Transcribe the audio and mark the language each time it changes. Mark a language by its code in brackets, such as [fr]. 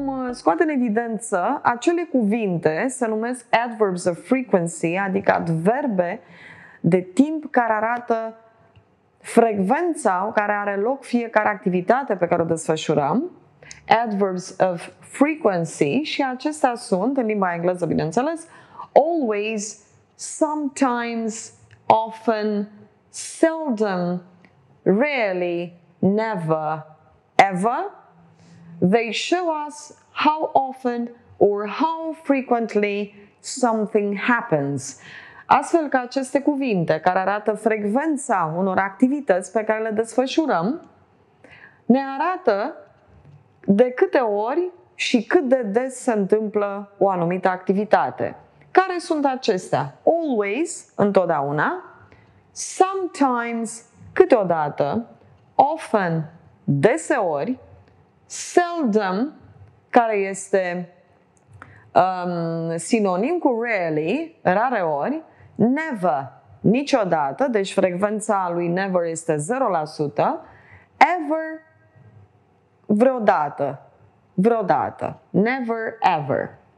[ro] scoate în evidență acele cuvinte, se numesc adverbs of frequency, adică adverbe de timp care arată frecvența care are loc fiecare activitate pe care o desfășurăm. Adverbs of frequency, și acestea sunt, în limba engleză, bineînțeles, always, sometimes, often, seldom, rarely, never, ever. [en] They show us how often or how frequently something happens. [ro] Astfel că aceste cuvinte care arată frecvența unor activități pe care le desfășurăm, ne arată de câte ori și cât de des se întâmplă o anumită activitate. Care sunt acestea? Always, întotdeauna, sometimes, câteodată, often, deseori, seldom, care este sinonim cu rarely, rare ori, never, niciodată, deci frecvența lui never este 0%, ever, vreodată, vreodată, never, ever.